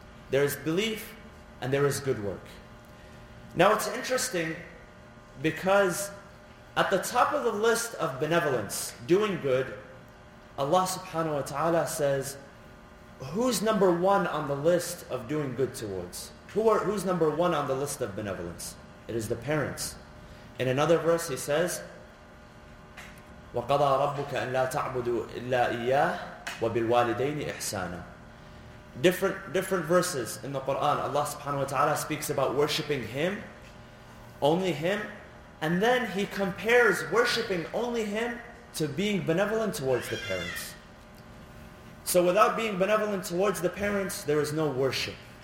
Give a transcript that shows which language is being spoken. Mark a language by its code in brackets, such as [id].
[en] There is belief, and there is good work. Now it's interesting, because at the top of the list of benevolence, doing good, Allah subhanahu wa ta'ala says, who's number one on the list of doing good towards? Who's number one on the list of benevolence? It is the parents. In another verse he says, [ar] وَقَضَى رَبُّكَ أَن لَا تَعْبُدُوا إِلَّا إِيَّاهِ وَبِالْوَالِدَيْنِ إِحْسَانًا. [en] Different verses in the Quran, Allah subhanahu wa ta'ala speaks about worshipping Him, only Him, and then He compares worshipping only Him to being benevolent towards the parents. So without being benevolent towards the parents, there is no worship.